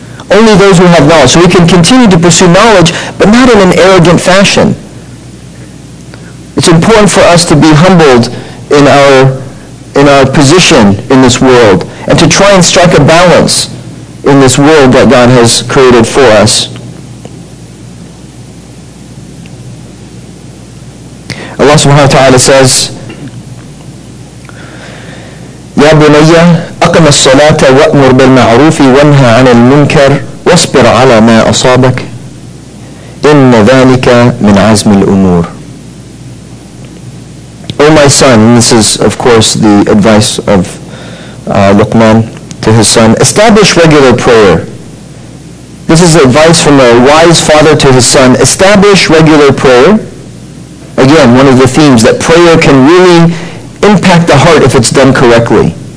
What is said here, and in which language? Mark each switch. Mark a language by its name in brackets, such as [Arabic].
[English] Only those who have knowledge. So we can continue to pursue knowledge, but not in an arrogant fashion. It's important for us to be humbled in our position in this world, and to try and strike a balance in this world that God has created for us. [Arabic] Allah subhanahu wa ta'ala says, يَا بُنَيَّ أَقِمَ الصَّلَاةَ وَأْمُرْ بِالْمَعْرُوفِ وَانْهَى عَنِ الْمُنْكَرِ وَاصْبِرْ عَلَى مَا أَصَابَكَ إِنَّ ذَلِكَ مِنْ عَزْمِ الْأُمُورِ. [English] O my son, and this is of course the advice of Luqman to his son, establish regular prayer. This is advice from a wise father to his son. Establish regular prayer. Again, one of the themes that prayer can really impact the heart if it's done correctly.